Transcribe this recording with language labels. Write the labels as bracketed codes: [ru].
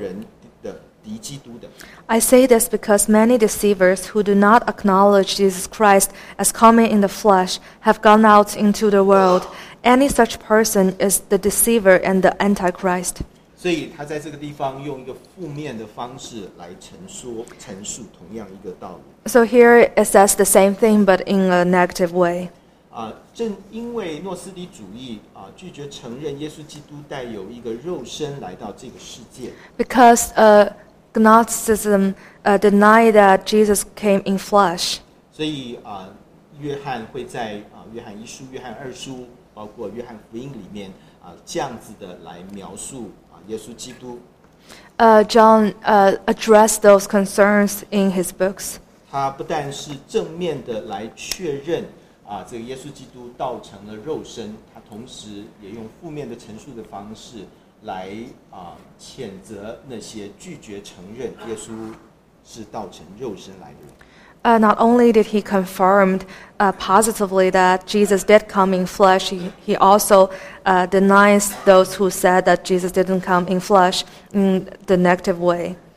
[zh] 他说，因为世上有许多迷惑人的出来，他们不认耶稣基督是成了肉身来的，这就是那迷惑人的敌基督的。 [en] I say this because many deceivers who do not acknowledge Jesus Christ as coming in the flesh have gone out into the world. Any such person is the deceiver and the antichrist. [zh] 所以他在这个地方用一个负面的方式来陈述同样一个道理。 [en] So here it says the same thing, but in a negative way. [zh] 正因为诺斯底主义拒绝承认耶稣基督带有一个肉身来到这个世界。 [en] Because Gnosticism denied that Jesus came in flesh. [zh] 所以, 约翰会在, 约翰一书, 约翰二书, 包括约翰福音里面, 这样子的来描述, 耶稣基督。 [en] John addressed those concerns in his books. [zh] 他不但是正面的来确认, 这个耶稣基督道成了肉身, 他同时也用负面的陈述的方式, 来谴责那些拒绝承认耶稣是道成肉身来的人。 [en] Not only did he confirm positively that Jesus did come in flesh, he also denies those who said that Jesus didn't come in flesh in the negative way.